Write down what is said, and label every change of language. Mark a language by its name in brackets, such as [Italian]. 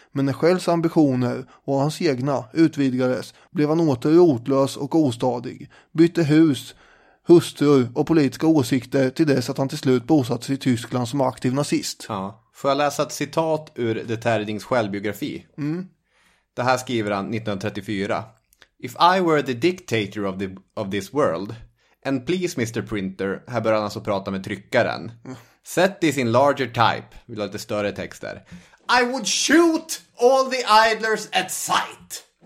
[Swedish] Men när Shells ambitioner och hans egna utvidgades blev han åter rotlös och ostadig. Bytte hus, hustru och politiska åsikter till dess att han till slut bosatt sig i Tyskland som aktiv nazist. Ja. Får jag läsa ett citat ur The Tärdings självbiografi? Mm. Det här skriver han 1934. [English] If I were the dictator of this world, and please Mr. [Swedish] Printer, här börjar han alltså prata med tryckaren. [English] Mm. Set this in larger type. [Swedish] Vill ha lite större texter. [English] I would shoot all the idlers at sight.